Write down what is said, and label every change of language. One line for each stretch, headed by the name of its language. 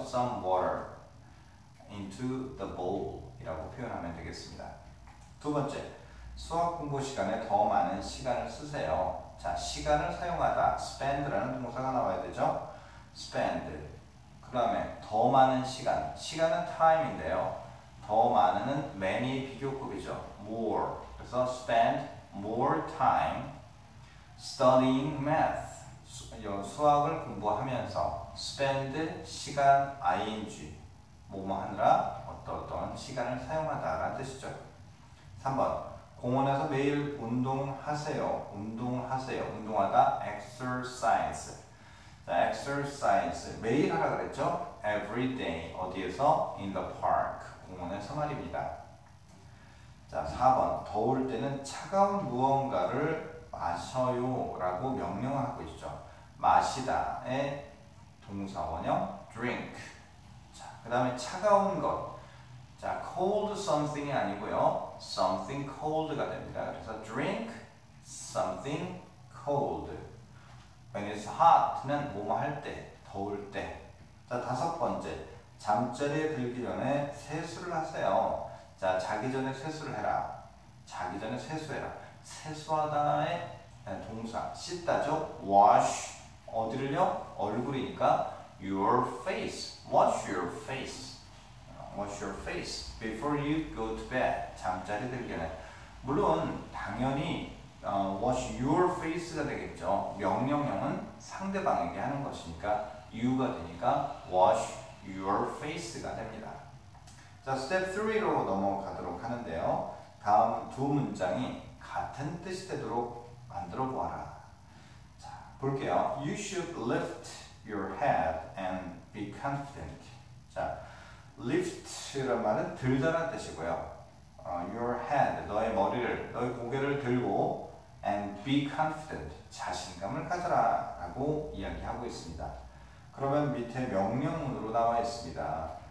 English: some water into the bowl
Korean: 이라고 표현하면 되겠습니다. 두 번째. 수학 공부 시간에 더 많은 시간을 쓰세요. 자, 시간을 사용하다. spend라는 동사가 나와야 되죠. spend. 그 다음에 더 많은 시간. 시간은 time인데요. 더 많은은 many의 비교급이죠. more. 그래서
English: spend more time studying math.
Korean: 수학을 공부하면서 spend 시간 ing. 뭐뭐 하느라 어떠어떠한 시간을 사용하다라는 뜻이죠. 3번. 공원에서 매일 운동하세요. 운동하세요. 운동하다. exercise. 자, exercise. 매일 하라 그랬죠?
English: every day.
Korean: 어디에서?
English: in the park.
Korean: 공원에서 말입니다. 자, 4번. 더울 때는 차가운 무언가를 마셔요라고 명령하고 있죠. 마시다의 동사원형 drink. 자, 그 다음에 차가운 것. 자, cold something이 아니고요. something cold가 됩니다. 그래서
English: drink something cold. When it's hot
Korean: 는 뭐뭐 할 때, 더울 때. 자, 다섯 번째. 잠자리에 들기 전에 세수를 하세요. 자, 자기 전에 세수를 해라. 자기 전에 세수해라. 세수하다의 동사. 씻다죠? wash. 어디를요? 얼굴이니까
English: your face. wash your face. wash your face before you go to bed.
Korean: 잠자리 들기 전에. 물론, 당연히,
English: wash your face
Korean: 가 되겠죠. 명령형은 상대방에게 하는 것이니까, 유가 되니까,
English: wash your face
Korean: 가 됩니다. 자, step 3로 넘어가도록 하는데요. 다음 두 문장이 같은 뜻이 되도록 만들어 보아라. 자, 볼게요.
English: You should lift your head and be confident.
Korean: 자, lift란 말은 들다란 뜻이고요.
English: Your head,
Korean: 너의 머리를, 너의 고개를 들고
English: and be confident,
Korean: 자신감을 가져라 라고 이야기하고 있습니다. 그러면 밑에 명령문으로 나와 있습니다.